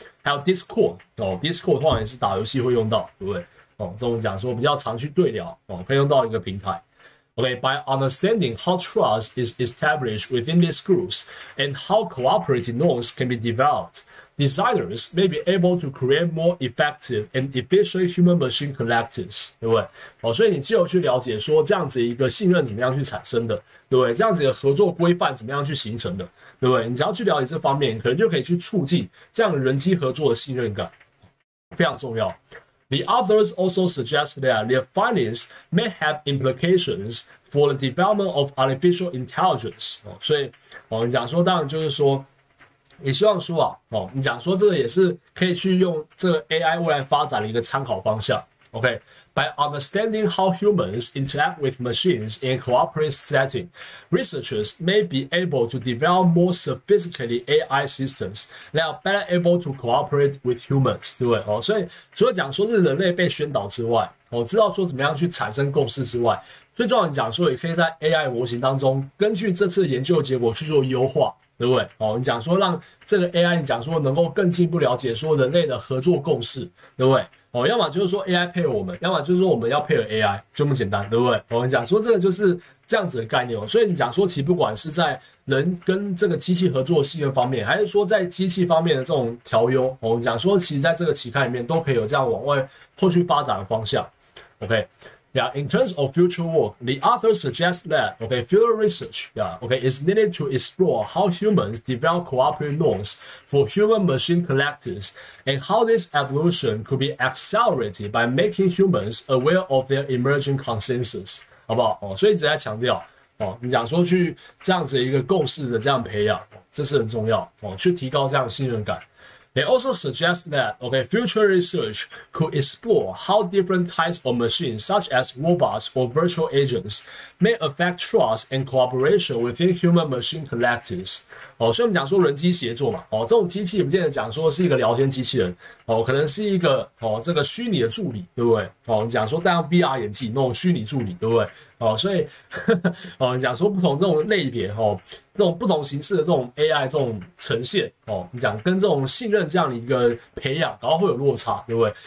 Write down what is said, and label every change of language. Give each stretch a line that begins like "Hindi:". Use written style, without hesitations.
Chinese: 还有 Discord、哦、Discord 通常也是打游戏会用到对不对、哦、这种讲说比较常去对聊、哦、可以用到一个平台
English: Okay, by understanding how trust is established within these groups and how cooperative norms can be developed, designers may be able to create more effective and efficient human-machine collectives,
Chinese: 对不对？哦，所以你既有去了解说这样子一个信任怎么样去产生的，对不对？这样子的合作规范怎么样去形成的，对不对？你只要去了解这方面，可能就可以去促进这样人机合作的信任感，非常重要。
English: The authors also suggest that their findings may have implications for the development of artificial intelligence.
Chinese: 哦，所以，哦，你讲说，当然就是说，也希望说啊，哦，你讲说这个也是可以去用这个 AI 未来发展的一个参考方向。
English: OK, by understanding how humans interact with machines in a cooperative setting, researchers may be able to develop more sophisticated AI systems that are better able to cooperate with humans,
Chinese: 对不对？哦，所以除了讲说是人类被宣导之外，哦，知道说怎么样去产生共识之外，最重要的讲说也可以在 AI 模型当中，根据这次研究结果去做优化，对不对？哦，你讲说让这个 AI 你讲说能够更进一步了解说人类的合作共识，对不对？哦，要么就是说 AI 配合我们，要么就是说我们要配合 AI， 这么简单，对不对？我们讲说这个就是这样子的概念哦。所以你讲说，其实不管是在人跟这个机器合作的信任方面，还是说在机器方面的这种调优，我们讲说，其实在这个期刊里面都可以有这样往外后续发展的方向。
English: OK， yeah， in terms of future work， the author suggests that okay， future research， yeah， okay， is needed to explore how humans develop cooperative norms for human-machine collectives。 And how this evolution could be accelerated by making humans aware of their emerging consensus，
Chinese: 好不好？哦，所以一直在强调，哦，你讲说去这样子一个共识的这样培养，这是很重要，哦，去提高这样的信任感。
English: They also suggest that, okay, future research could explore how different types of machines, such as robots or virtual agents, may affect trust and cooperation within human-machine collectives.
Chinese: 哦，所以我们讲说人机协作嘛，哦，这种机器不见得讲说是一个聊天机器人，哦，可能是一个哦这个虚拟的助理，对不对？哦，你讲说戴上 VR 眼镜那种虚拟助理，对不对？哦，所以呵呵哦，你讲说不同这种类别，哦。这种不同形式的这种 AI 这种呈现哦，你讲跟这种信任这样的一个培养，然后会有落差，对不对？